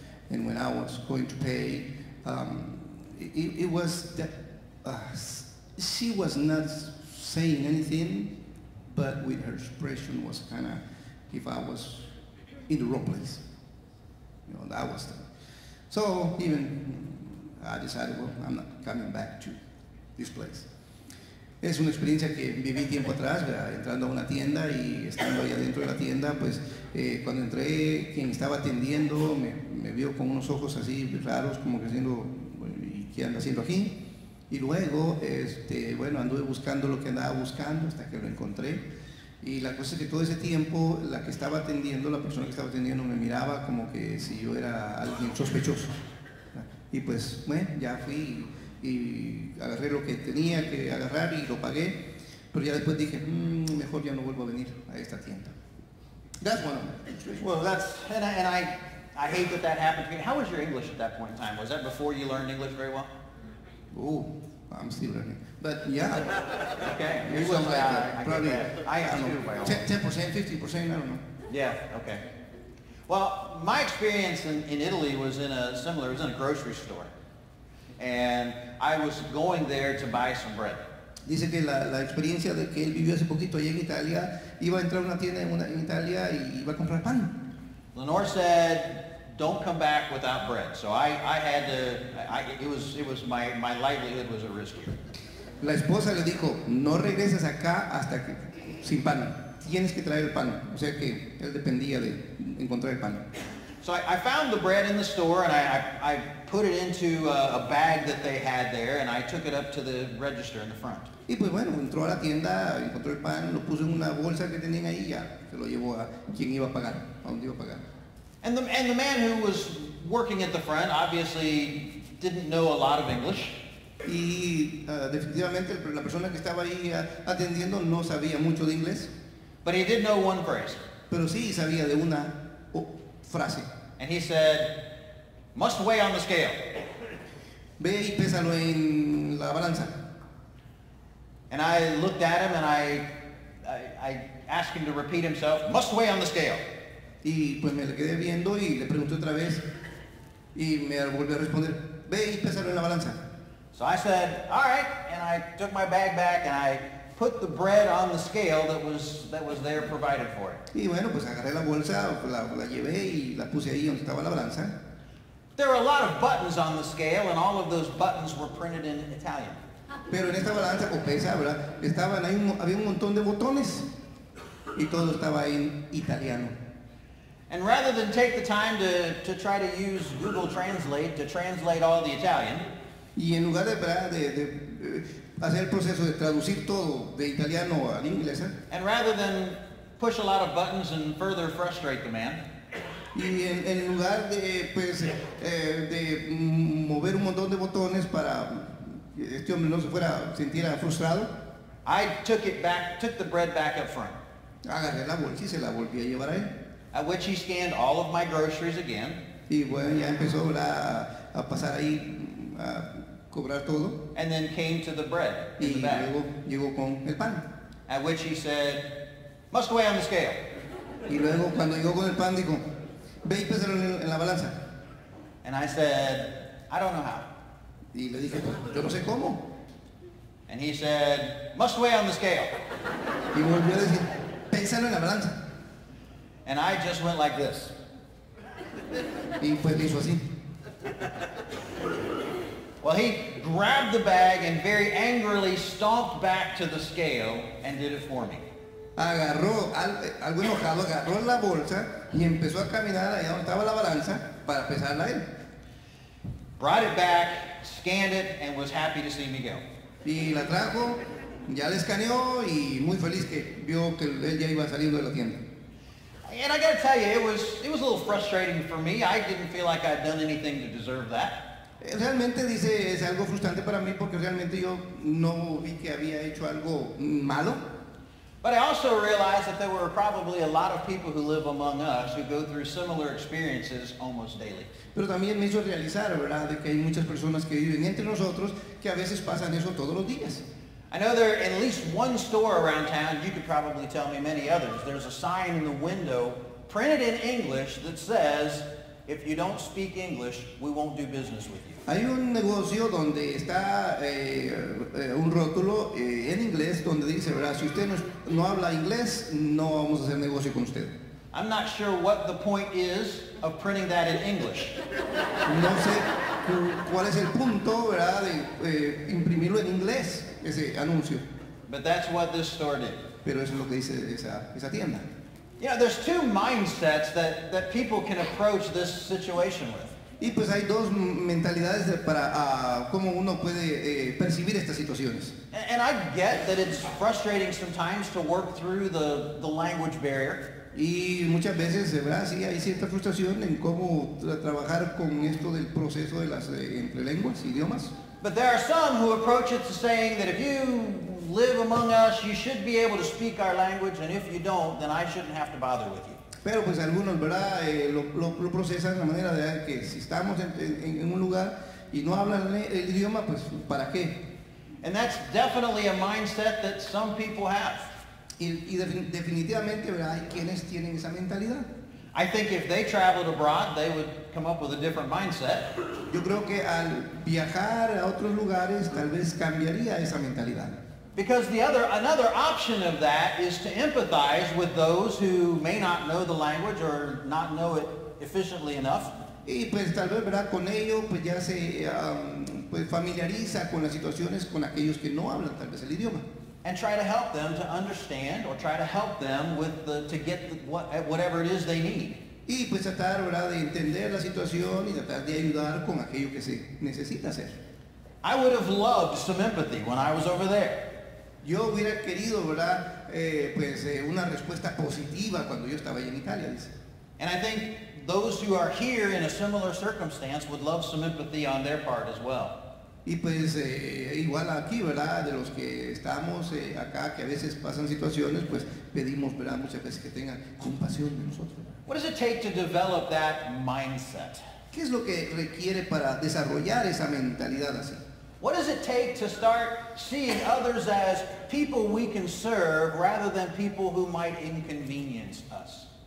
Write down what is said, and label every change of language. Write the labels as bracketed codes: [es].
[en] And when I was going to pay, it was that she was not saying anything. But with her expression was kind of, if I was in the wrong place, you know, that was the. So even I decided, well, I'm not coming back to this place. [es] Es una experiencia que viví tiempo atrás, ¿verdad? Entrando a una tienda y estando ahí adentro de la tienda, pues cuando entré, quien estaba atendiendo me vio con unos ojos así raros, como que diciendo, ¿qué anda haciendo aquí? Y luego, bueno, anduve buscando lo que andaba buscando hasta que lo encontré. Y la cosa es que todo ese tiempo la que estaba atendiendo, la persona que estaba atendiendo me miraba como que si yo era alguien sospechoso. Y pues, bueno, ya fui y agarré lo que tenía que agarrar y lo pagué. Pero ya después dije, mejor ya no vuelvo a venir a esta tienda. [en] That's one of my frustrations. Well, that's, and I hate that that happened to you. How was your English at that point in time? Was that before you learned English very well? Ooh. I'm still learning, but yeah. Okay. It was like probably, I am too. 10%, 50%, I don't know. Yeah. Okay. Well, my experience in Italy was in a similar. It was in a grocery store, and I was going there to buy some bread. [es] Dice que la experiencia de que él vivió hace poquito allá en Italia, iba a entrar a una tienda en Italia y iba a comprar pan. [en] Lenore said, don't come back without bread. So I had to, it was my livelihood was at risk here. [es] La esposa le dijo, no regreses acá hasta que, sin pan. Tienes que traer el pan. O sea que él dependía de encontrar el pan. [en] So I found the bread in the store and I put it into a bag that they had there and I took it up to the register in the front. [es] Y pues bueno, entró a la tienda, encontró el pan, lo puso en una bolsa que tenían ahí ya. Se lo llevó a quien iba a pagar, a donde iba a pagar. [en] And the man who was working at the front obviously didn't know a lot of English. [es] Y definitivamente la persona que estaba ahí atendiendo no sabía mucho de inglés. [en] But he did know one phrase. [es] Pero sí sabía de una frase. [en] And he said, must weigh on the scale. [es] Ve y pésalo en la balanza. [en] And I looked at him and I asked him to repeat himself, must weigh on the scale. [es] Y pues me le quedé viendo y le pregunté otra vez y me volvió a responder, ve y pésalo en la balanza. [en] So I said, all right, and I took my bag back and I put the bread on the scale that was there provided for it. [es] Y bueno, pues agarré la bolsa, la llevé y la puse ahí donde estaba la balanza. [en] There were a lot of buttons on the scale and all of those buttons were printed in Italian. [es] Pero en esta balanza, o pesa, ¿verdad? Estaban ahí, había un montón de botones y todo estaba en italiano. [en] And rather than take the time to try to use Google Translate to translate all the Italian, [es] y en lugar de hacer el proceso de traducir todo de italiano al inglés, [en] and rather than push a lot of buttons and further frustrate the man, [es] y en lugar de pues de mover un montón de botones para este hombre no se fuera sintiera frustrado, [en] I took the bread back up front. [es] Agarré la bolsa y se la volví a llevar ahí. [en] At which he scanned all of my groceries again. [es] Y bueno, ya empezó a pasar ahí a cobrar todo. [en] And then came to the bread in the bag. [es] Y luego llegó con el pan. [en] At which he said, must weigh on the scale. [es] Y luego cuando llegó con el pan dijo, ve y pésalo en la balanza. [en] And I said, I don't know how. [es] Y le dije, yo no sé cómo. [en] And he said, must weigh on the scale. [es] Y volvió a decir, pésalo en la balanza. [en] And I just went like this. [es] Y pues hizo así. [en] Well, he grabbed the bag and very angrily stomped back to the scale and did it for me. [es] Agarró, algo enojado, agarró la bolsa y empezó a caminar allá donde estaba la balanza para pesarla a él. [en] Brought it back, scanned it, and was happy to see me go. [es] Y la trajo, ya la escaneó y muy feliz que vio que él ya iba saliendo de la tienda. [en] And I got to tell you, it was a little frustrating for me. I didn't feel like I'd done anything to deserve that. [es] Realmente dice es algo frustrante para mí porque realmente yo no vi que había hecho algo malo. [en] But I also realized that there were probably a lot of people who live among us who go through similar experiences almost daily. [es] Pero también me hizo realizar, ¿verdad?, de que hay muchas personas que viven entre nosotros que a veces pasan eso todos los días. [en] I know there at least one store around town, you could probably tell me many others. There's a sign in the window printed in English that says, if you don't speak English, we won't do business with you. [es] Hay un negocio donde está un rótulo en inglés donde dice, ¿verdad? Si usted no habla inglés, no vamos a hacer negocio con usted. [en] I'm not sure what the point is of printing that in English. [es] No sé cuál es el punto, ¿verdad?, de imprimirlo en inglés. Ese anuncio. [en] But that's what this store did. [es] Pero eso es lo que dice esa tienda. [en] Yeah, you know, there's two mindsets that people can approach this situation with. [es] Y pues hay dos mentalidades para cómo uno puede percibir estas situaciones. [en] And I get that it's frustrating sometimes to work through the language barrier. [es] Y muchas veces, ¿verdad? Sí, hay cierta frustración en cómo trabajar con esto del proceso de las entre lenguas, idiomas. [en] But there are some who approach it to saying that if you live among us, you should be able to speak our language, and if you don't, then I shouldn't have to bother with you. [es] Pero pues algunos, ¿verdad? Lo procesan de la manera de que si estamos en un lugar y no hablan el idioma, pues ¿para qué? [en] And that's definitely a mindset that some people have. [es] Y definitivamente, ¿verdad? Hay quienes tienen esa mentalidad. [en] I think if they traveled abroad, they would come up with a different mindset. [es] Yo creo que al viajar a otros lugares, tal vez cambiaría esa mentalidad. [en] Because another option of that is to empathize with those who may not know the language or not know it efficiently enough. [es] Y pues tal vez, ¿verdad? Con ello, pues ya se familiariza con las situaciones con aquellos que no hablan tal vez el idioma. [en] And try to help them to understand, or try to help them with whatever it is they need. [es] Y pues tratar, ¿verdad?, de entender la situación y tratar de ayudar con aquello que se necesita hacer. [en] I would have loved some empathy when I was over there. [es] Yo hubiera querido, ¿verdad?, una respuesta positiva cuando yo estaba allí en Italia, dice. [en] And I think those who are here in a similar circumstance would love some empathy on their part as well. [es] Y pues igual aquí, ¿verdad? De los que estamos acá, que a veces pasan situaciones, pues pedimos, ¿verdad? Muchas veces que tengan compasión de nosotros. [en] What does it take to develop that mindset? [es] ¿Qué es lo que requiere para desarrollar esa mentalidad así? [en] What does it take to start seeing others as people we can serve rather than people who might inconvenience us?